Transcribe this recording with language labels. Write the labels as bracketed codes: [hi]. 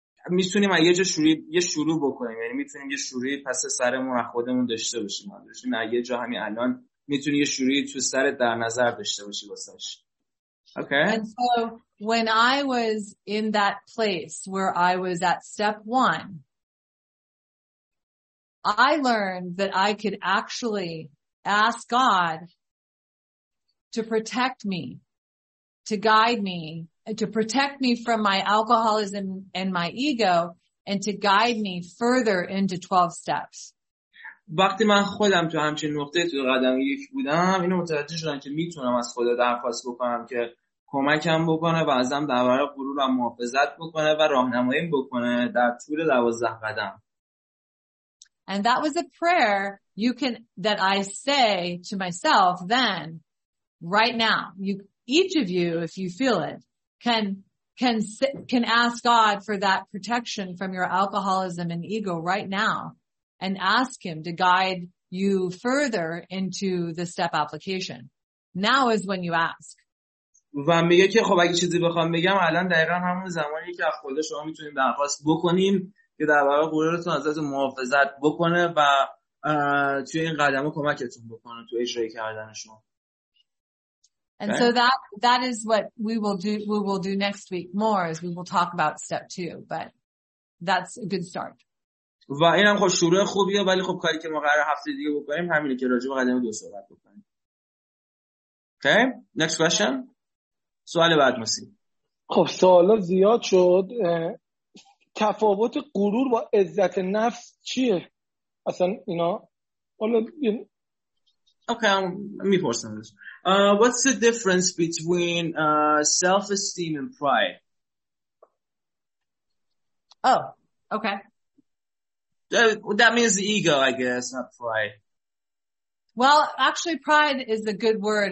[fa] میتونیم اگه جا یه شروع بکنیم، یعنی میتونیم یه شروعی پس سرمون خودمون داشته باشیم. اگه جا همین الان میتونی یه شروعی تو سرت در نظر داشته باشی واسش. [en] Okay. And so when I was in that place where I was at step one, I learned that I could actually ask God to protect me, to guide me, to protect me from my alcoholism and my ego, and to guide me further into 12 steps. [fa] وقتی من خودم تو همچین نقطه تو قدم یک بودم، اینو متوجه شدم که میتونم از خدا درخواست بکنم که کمکم بکنه و ازم درباره غرورم محافظت بکنه و راهنماییم بکنه در طول 12 قدم. [en] And that was a prayer that I say to myself then, right now. Each of you, if you feel it, can ask God for that protection from your alcoholism and ego right now, and ask him to guide you further into the step application. Now is when you ask. [fa] و میگه که خب اگه چیزی بخوام بگم الان دقیقاً همون زمانی که از خود شما میتونیم درخواست بکنیم که در واقع غرورتون ازتون محافظت بکنه و توی این قدمو کمکتون بکنه توی اجرای کردنشون. [en] And okay. So that is what we will do next week more, as we will talk about step 2, but that's a good start. [fa] و این هم خب شروع خوبیه، ولی خب کاری که ما قرار هفته دیگه بکنیم همینه که راجع به قدم دو صحبت بکنیم. [en] Okay, next question. [fa] سوال بعد مسی. خب سوالا زیاد شد. تفاوت غرور با عزت نفس چیه؟ اصلا اینا حالا Okay, میپرسم. [en] What's the difference between self-esteem and pride? Oh, okay. That means ego, I guess, not pride. Well, actually, pride is a good word.